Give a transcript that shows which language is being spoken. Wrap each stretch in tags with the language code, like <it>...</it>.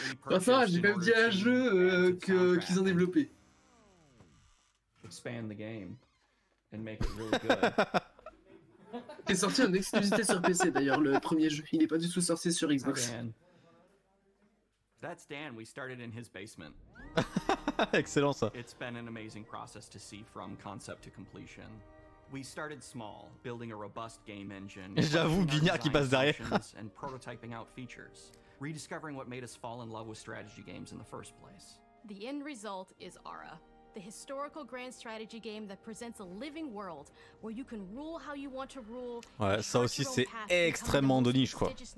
<fr>Bah, ça, j'ai même dit un jeu qu'ils ont développé.</fr> <en>Expand the game and make it really good.</en> <fr>C'est sorti en exclusivité sur PC d'ailleurs, le premier jeu. Il n'est pas du tout sorti sur Xbox.</fr> <en>That's Dan. We started in his basement.</en> <fr>Excellent ça.</fr> <en>It's been an amazing process to see from concept to completion. We started small, building a robust game engine.</en> <fr>J'avoue, Guignard qui passe derrière.</fr> <en>And prototyping out features, rediscovering what made us fall in love with strategy games in the first place. The end result is ARA. The historical grand strategy game that presents a living world where you can rule how you want to rule.</en> <fr>Ouais, ça aussi c'est extrêmement de niche, quoi.</fr>